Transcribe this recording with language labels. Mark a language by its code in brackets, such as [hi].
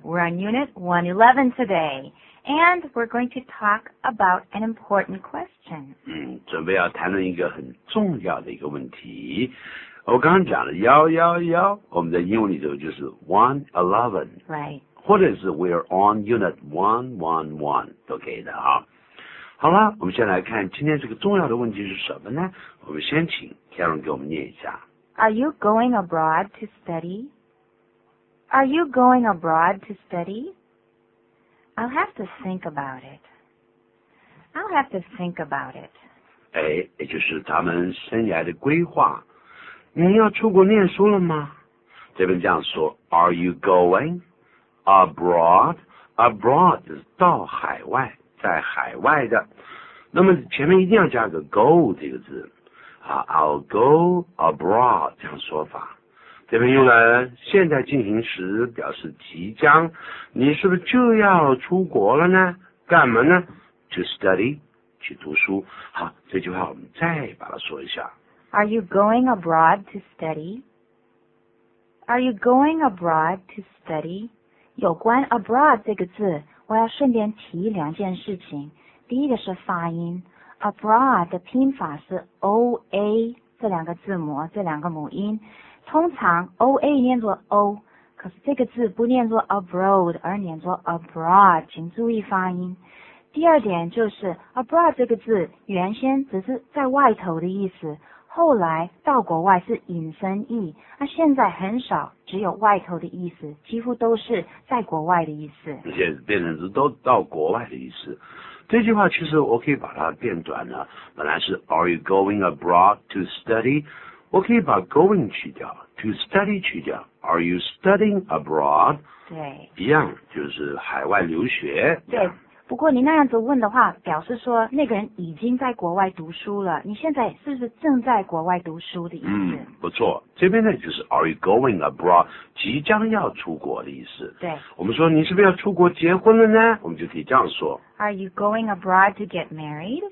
[en] We're on Unit 111 today, and we're going to talk about an important question. [zh] 准备要谈论一个很重要的一个问题。我刚刚讲了111，我们在英文里头就是111。 [en] Right. [zh] 或者是 [en] we're on unit 111 [zh] 都可以的啊。好了，我们先来看今天这个重要的问题是什么呢？我们先请 Karen 给我们念一下。 [en] Are you going abroad to study? Are you going abroad to study? I'll have to think about it. I'll have to think about it. [zh] 也就是咱们生涯的规划。你要出国念书了吗？这边这样说 , [en] Are you going? [zh] Abroad 就是到海外，在海外的。那么前面一定要加个 go 这个字啊 ， [en] I'll go abroad [zh] 这样说法。这边用了现在进行时，表示即将。你是不是就要出国了呢？干嘛呢 ？ [en] To study， [zh] 去读书。好，这句话我们再把它说一下。 [en] Are you going abroad to study? Are you going abroad to study? [zh] 有关 abroad 这个字，我要顺便提两件事情。第一个是发音 ，abroad 的拼法是 o a 这两个字母，这两个母音。通常 o a 念作 o， 可是这个字不念作 abroad， 而念作 abroad， 请注意发音。第二点就是 abroad 这个字原先只是在外头的意思，后来到国外是引申义，那现在很少只有外头的意思，几乎都是在国外的意思。这些变成是都到国外的意思。这句话其实我可以把它变短了，本来是 [en] Are you going abroad to study? [zh] 我可以把 [en] going [zh] 去掉 [en] ，to study 去掉 ，Are you studying abroad? [zh] 对，一样就是海外留学。对。不过你那样子问的话，表示说那个人已经在国外读书了，你现在是不是正在国外读书的意思？不错，这边呢就是 [en] Are you going abroad? [zh] 即将要出国的意思。对，我们说你是不是要出国结婚了呢？我们就可以这样说 [en] Are you going abroad to get married?